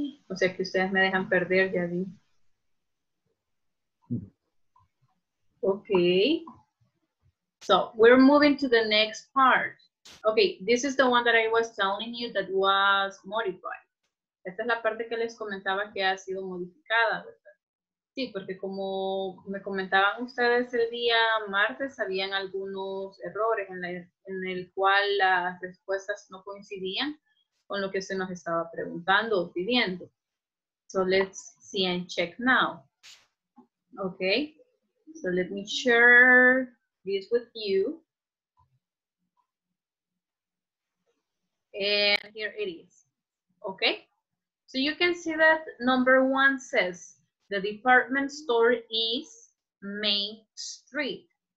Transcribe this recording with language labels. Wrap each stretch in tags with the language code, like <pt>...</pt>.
<es>O sea que ustedes me dejan perder, ya vi.</es> <en>Okay, so we're moving to the next part. Okay, this is the one that I was telling you that was modified.</en> <es>Esta es la parte que les comentaba que ha sido modificada, ¿verdad? Sí, porque como me comentaban ustedes el día martes, habían algunos errores en el cual las respuestas no coincidían con lo que usted nos estaba preguntando o pidiendo.</es> <en>So let's see and check now. Okay, so let me share this with you. And here it is. Okay, so you can see that number one says the department store is Main Street.</en>